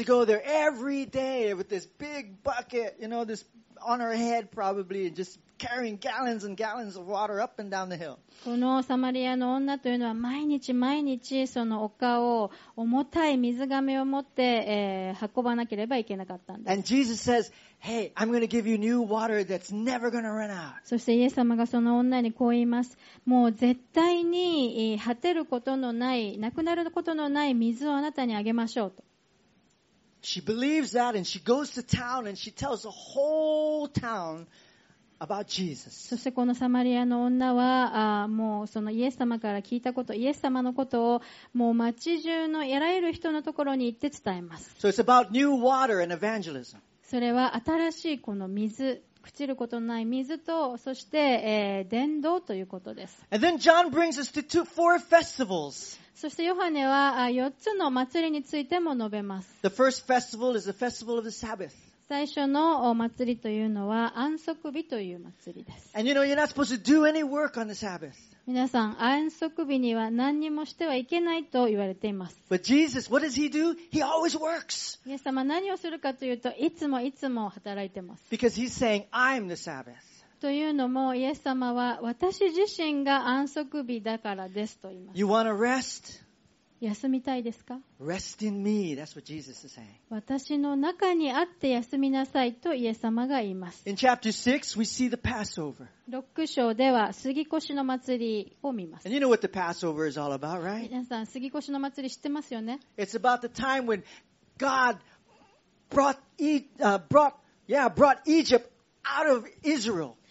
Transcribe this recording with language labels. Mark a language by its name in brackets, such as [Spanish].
[English] She has to go there every day with this big bucket, you know, this on her head probably and just carrying gallons and gallons of water up and down the hill. [Japanese] このサマリアの女というのは毎日毎日その丘を重たい水瓶を持って、運ばなければいけなかったんです。 [English] And Jesus says, "Hey, I'm going to give you new water that's never going to run out." [Japanese] そしてイエス様がその女にこう言います。もう絶対に果てることのない、なくなることのない水をあなたにあげましょうと。 [English] She believes that and she goes to town and she tells the whole town about Jesus. [Japanese] そしてこのサマリアの女はもうそのイエス様から聞いたこと、イエス様のことをもう町中のあらゆる人のところに行って伝えます。 [English] So it's about new water and evangelism. [Japanese] それは新しいこの水、朽ちることのない水と、そして、伝道ということです。 [English] And then John brings us to four festivals. [Japanese] そしてヨハネは4つの祭りについても述べます。 [English] The first festival is the festival of the Sabbath. [Japanese] 最初のお祭りというのは安息日という祭りです。 [English] And you know, you're not supposed to do any work on the Sabbath. [Japanese] 皆さん、安息日には何にもしてはいけないと言われています。 [English] But Jesus, what does he do? He always works. [Japanese] イエス様何をするかというと、いつもいつも働いてます。 [English] Because he's saying, I'm the Sabbath. [Japanese] というのもイエス様は私自身が安息日だからですと言います。 [English] You want to rest? [Japanese] 休みたいですか? [English] Rest in me. That's what Jesus is saying. [Japanese] 私の中にあって休みなさいとイエス様が言います。 [English] In chapter 6, we see the Passover. [Japanese] 6章では杉越の祭りを見ます。 [English] And you know what the Passover is all about, right? [Japanese] 皆さん杉越の祭り知ってますよね? [English] It's about the time when God brought Egypt out of Israel.